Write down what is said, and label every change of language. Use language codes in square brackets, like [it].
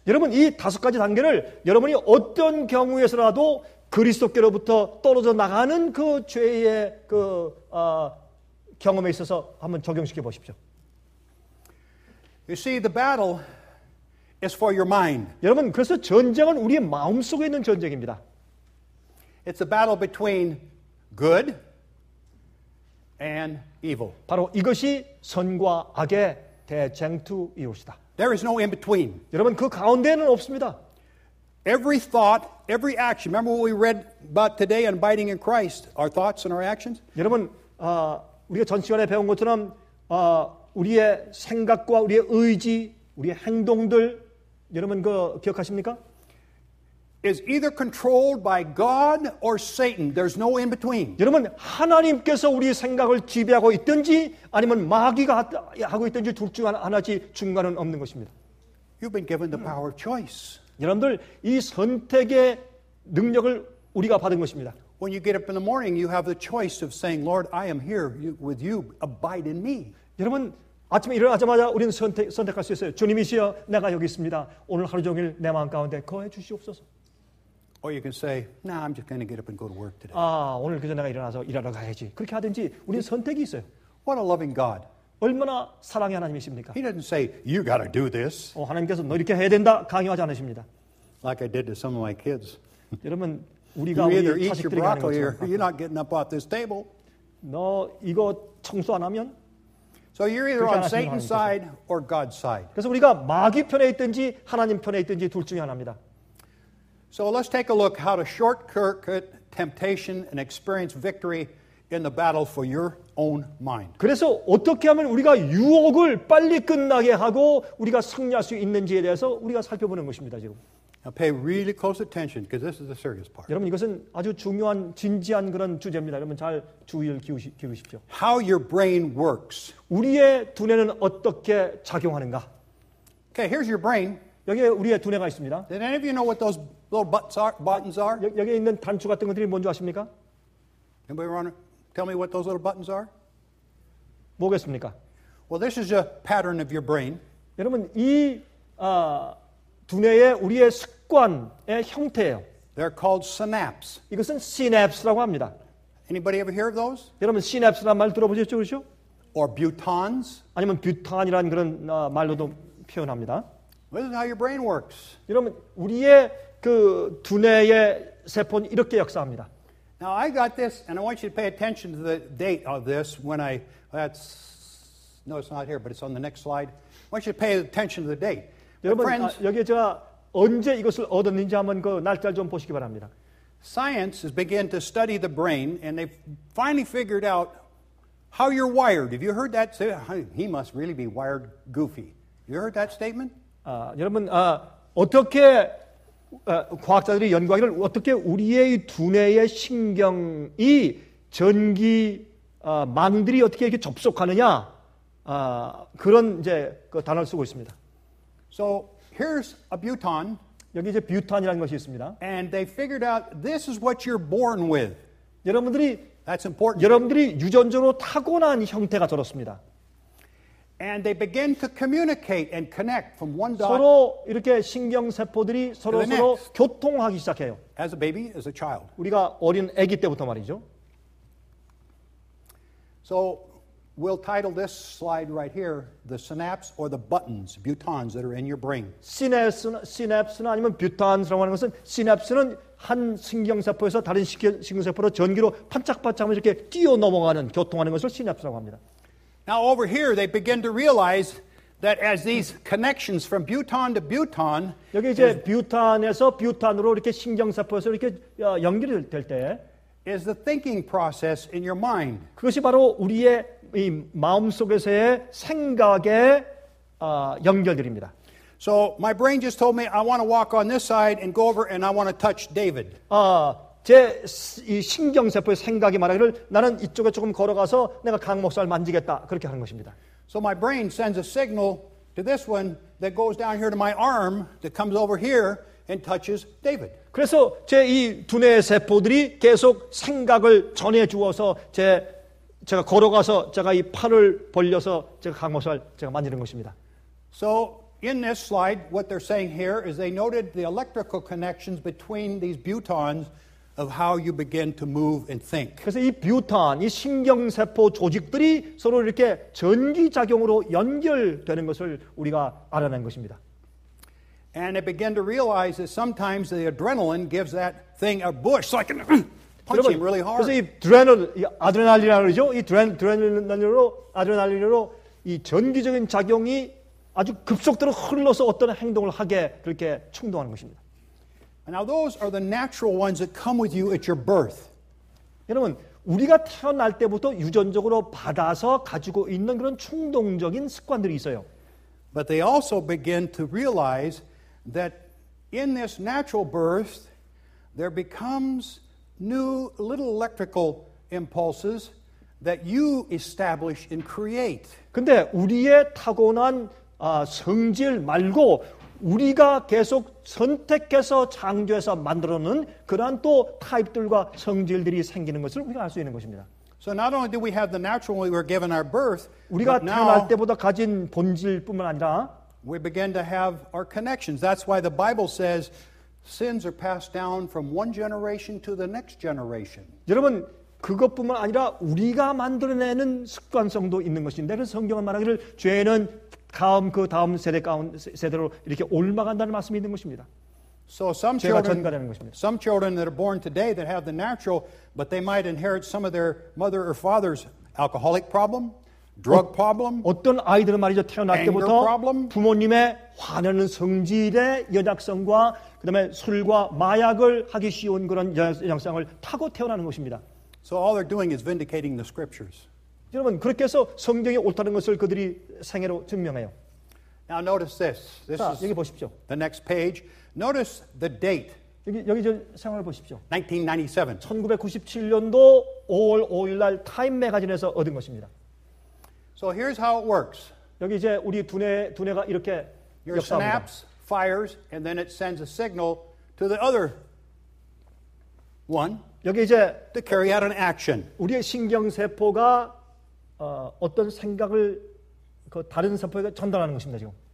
[ko] 여러분 이 다섯 가지 단계를 여러분이 어떤 경우에서라도 그리스도께로부터 떨어져 나가는 그 죄의 그 경험에 있어서 한번 적용시켜 보십시오. [en] You see, the battle is for your mind. [ko] 여러분, 그래서 전쟁은 우리의 마음 속에 있는 전쟁입니다. [en] It's a battle between good and evil. [ko] 바로 이것이 선과 악의 대쟁투이옵니다. [en] There is no in between. [ko] 여러분, 그 가운데는 없습니다. [en] Every thought, every action. Remember what we read about today and abiding in Christ. Our thoughts and our actions. [ko] 여러분, 우리가 전 시간에 배운 것처럼 우리의 생각과 우리의 의지, 우리의 행동들 여러분 그 기억하십니까? [en] Is either controlled by God or Satan. There's no in between. [ko] 여러분 하나님께서 우리의 생각을 지배하고 있든지 아니면 마귀가 하고 있든지 둘 중 하나지 중간은 없는 것입니다. [en] You've been given the power of choice. [ko] 여러분들 이 선택의 능력을 우리가 받은 것입니다. [en] When you get up in the morning, you have the choice of saying, "Lord, I am here with you. Abide in me." [ko] 여러분 아침에 일어나자마자 우리는 선택할 수 있어요. 주님이시여, 내가 여기 있습니다. 오늘 하루 종일 내 마음 가운데 거해 주시옵소서. [en] Or you can say, "Nah, I'm just going to get up and go to work today." [ko] 아, 오늘 그저 내가 일어나서 일하러 가야지. 그렇게 하든지 우리는 선택이 있어요. [en] What a loving God! [ko] 얼마나 사랑의 하나님이십니까? [en] He doesn't say, "You got to do this." [ko] 오, 하나님께서 너 이렇게 해야 된다 강요하지 않으십니다. [en] Like I did to some of my kids. [ko] 여러분. [en] You either eat your broccoli or you're not getting up off this table. [ko] 너 이거 청소 안 하면? [en] So you're either on Satan's side or God's side. [ko] 그래서 우리가 마귀 편에 있든지 하나님 편에 있든지 둘 중에 하나입니다. [en] So let's take a look how to shortcut temptation and experience victory in the battle for your own mind. [ko] 그래서 어떻게 하면 우리가 유혹을 빨리 끝나게 하고 우리가 승리할 수 있는지에 대해서 우리가 살펴보는 것입니다, 지금. [en] Now pay really close attention because this is the serious part. [ko] 여러분 이것은 아주 중요한 진지한 그런 주제입니다. 여러분 잘 주의를 기울이십시오. [en] How your brain works. [ko] 우리의 두뇌는 어떻게 작용하는가? [en] Okay, here's your brain. [ko] 여기 우리의 두뇌가 있습니다. [en] Did any of you know what those little buttons are? [ko] 여기 있는 단추 같은 것들이 뭔지 아십니까? [en] Anybody want to tell me what those little buttons are? [ko] 뭐겠습니까? [en] Well, this is a pattern of your brain. [ko] 여러분 이 두뇌의 우리의 습관의 형태예요. [en] They're called synapses. [ko] 이것은 시냅스라고 합니다. [en] Anybody ever hear of those? [ko] 여러분 시냅스란 말 들어보셨죠, 그렇죠? [en] Or butons? [ko] 아니면 뷰탄이란 그런 말로도 표현합니다. [en] This is how your brain works. [ko] 여러분 우리의 그 두뇌의 세포는 이렇게 역사합니다. [en] Now I got this, and I want you to pay attention to the date of this when I. That's no, it's not here, but it's on the next slide. I want you to pay attention to the date. [ko] 여러분 friends, 여기 제가 언제 이것을 얻었는지 한번 그 날짜를 좀 보시기 바랍니다. [en] Science has begun to study the brain and they finally figured out how you're wired. Have you heard that? He must really be wired goofy. You heard that statement? [ko] 여러분 어떻게 과학자들이 연구하기를 어떻게 우리의 두뇌의 신경이 전기 망들이 어떻게 이렇게 접속하느냐 그런 이제 그 단어를 쓰고 있습니다. [en] So here's a buton. [ko] 여기 이제 뷰탄이라는 것이 있습니다. [en] And they figured out this is what you're born with. [ko] 여러분들이 [en] That's important. [ko] 여러분들이 유전적으로 타고난 형태가 저렇습니다. [en] And they begin to communicate and connect from one dot. [ko] 서로 이렇게 신경 세포들이 서로 교통하기 시작해요. [en] As a baby, as a child. [ko] 우리가 어린 아기 때부터 말이죠. [en] So We'll title this slide right here the synapse or the buttons, butons that are in your brain. [ko] Synapse, 아니면 뷰탄이라고 하는 것은 시냅스는 한 신경세포에서 다른 신경세포로 전기로 반짝반짝 이렇게 뛰어 넘어가는 교통하는 것을 시냅스라고 합니다. [en] Now over here, they begin to realize that as these connections from Bhutan to Bhutan, [ko] 여기 이제 뷰탄에서 뷰탄으로 이렇게 신경세포에서 이렇게 연결이 될 때, [en] is the thinking process in your mind. [ko] 그것이 바로 우리의 이 마음 속에서의 생각의 연결들입니다. [en] So my brain just told me I want to walk on this side and go over and I want to touch David. [ko] 제 이 신경세포의 생각이 말하기를 나는 이쪽에 조금 걸어가서 내가 강 목사를 만지겠다 그렇게 하는 것입니다. [en] So my brain sends a signal to this one that goes down here to my arm that comes over here and touches David. [ko] 그래서 제 이 두뇌 세포들이 계속 생각을 전해 주어서 제가 걸어가서 제가 이 팔을 벌려서 제가 강 목사를 제가 만지는 것입니다. [en] So in this slide, what they're saying here is they noted the electrical connections between these butons of how you begin to move and think. [ko] 그래서 이 뷰탄, 이 신경세포 조직들이 서로 이렇게 전기작용으로 연결되는 것을 우리가 알아낸 것입니다. [en] And they began to realize that sometimes the adrenaline gives that thing a push, so I can punch him really hard. [ko] 그래서 이 드레널, 이 아드레날린이죠? 이 드레널로, 아드레날린으로 이 전기적인 작용이 아주 급속도로 흘러서 어떤 행동을 하게 그렇게 충동하는 것입니다. [en] Now those are the natural ones that come with you at your birth. [ko] 여러분, 우리가 태어날 때부터 유전적으로 받아서 가지고 있는 그런 충동적인 습관들이 있어요. [en] But they also begin to realize that in this natural birth, there becomes new little electrical impulses that you establish and create. [ko] 근데 우리의 타고난 성질 말고 우리가 계속 선택해서 창조해서 만들어놓는 그러한 또 타입들과 성질들이 생기는 것을 우리가 알 수 있는 것입니다. [en] So not only do we have the natural we were given our birth, [ko] 우리가 태어날 때보다 가진 본질뿐만 아니라 [en] we begin to have our connections. That's why the Bible says sins are passed down from one generation to the next generation. [ko] 여러분, 그것뿐만 아니라 우리가 만들어내는 습관성도 있는 것인데 그 성경은 말하기를 죄는 다음 그 다음 세대 가운데 세대로 이렇게 올라간다는 말씀이 있는 것입니다. [en] So some children, some children that are born today that have the natural, but they might inherit some of their mother or father's alcoholic problem, drug problem. [ko] 어떤 아이들은 말이죠 태어날 때부터 [en] problem, [ko] 부모님의 화내는 성질의 연약성과 그다음에 술과 마약을 하기 쉬운 그런 연약성을 타고 태어나는 것입니다. [en] So all they're doing is vindicating the scriptures. [ko] 여러분 그렇게 해서 성경이 옳다는 것을 그들이 생애로 증명해요. [en] Now notice this. This [ko] 자, 여기 보십시오. [en] The next page. Notice the date. [ko] 여기 저 상황을 보십시오. [en] 1997. [ko] 1997년도 5월 5일 날 타임 매거진에서 얻은 것입니다. [en] So here's how it works. [ko] 여기 이제 우리 두뇌가 이렇게 [en] Your Your synapse fires and then it sends a signal to the other one. [ko] 여기 이제 [en] to carry out an action. [ko] 우리의 신경세포가 어떤 생각을 그 다른 세포에게 전달하는 것입니다, 지금.